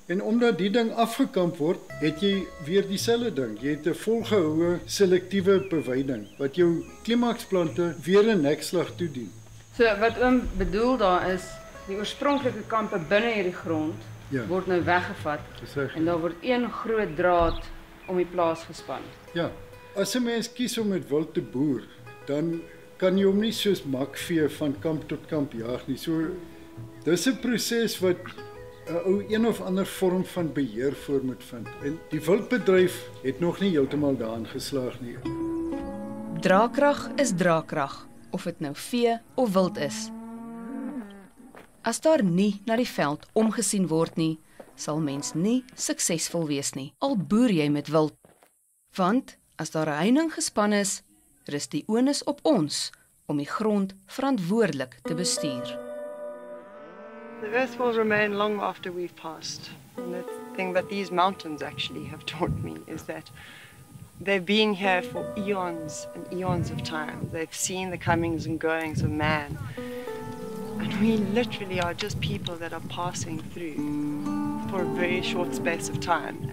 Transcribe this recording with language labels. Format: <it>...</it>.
<af>En omdat die ding afgekamp word, het jy weer dieselfde ding. Jy het 'n volgehoue selektiewe bewyding wat jou klimaksplante weer 'n nekslag toedien. So wat oom bedoel daar is, die oorspronklike kampe binne hierdie grond word nou weggevat. Gesig. En daar word een groot draad om die plaas gespan. Ja, as 'n mens kies om met wild te boer, dan kan jy hom nie soos makvee van kamp tot kamp jaag nie. So, dis 'n proses wat 'n ou een of ander vorm van beheer voor moet vind. En die wildbedryf het nog nie heeltemal daarin geslaag nie. Draakrag is draakrag, of het nou vee of wild is. As daar nie na die veld omgesien word nie, sal mens nie suksesvol wees nie, al boer jy met wild. Want as daar 'n heining gespan is, rus die onus op ons om die grond verantwoordelik te bestuur.</af> <en>The earth will remain long after we've passed. And the thing that these mountains actually have taught me is that they've been here for eons and eons of time. They've seen the comings and goings of man. And we literally are just people that are passing through for a very short space of time.</en>